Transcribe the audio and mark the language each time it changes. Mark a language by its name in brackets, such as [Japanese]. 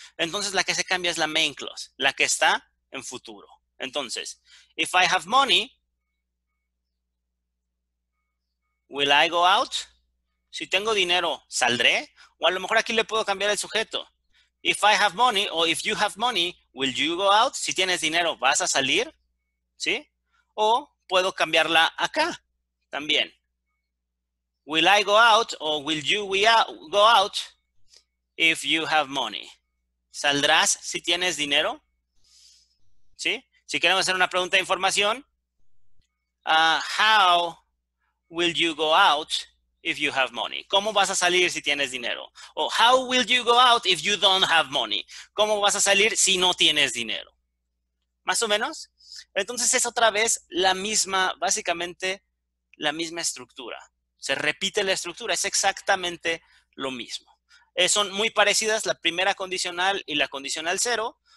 [Spanish] Entonces, la que se cambia es la main clause, la que está en futuro. [English] Entonces, if I have money, Will I go out? [Spanish] Si tengo dinero, ¿saldré? O a lo mejor aquí le puedo cambiar el sujeto. [English] If I have money, o if you have money, will you go out? [Spanish] Si tienes dinero, ¿vas a salir? ¿Sí? O puedo cambiarla acá también. [English] Will I go out, o will you go out if you have money? [Spanish] ¿Saldrás si tienes dinero? ¿Sí? Si queremos hacer una pregunta de información, [English] how will you go out if you have money? [Spanish] ¿Cómo vas a salir si tienes dinero? [English] O how will you go out if you don't have money? [Spanish] ¿Cómo vas a salir si no tienes dinero? ¿Más o menos? Entonces es otra vez la misma, básicamente la misma estructura. Se repite la estructura, es exactamente lo mismo. Son muy parecidas la primera condicional y la condicional cero.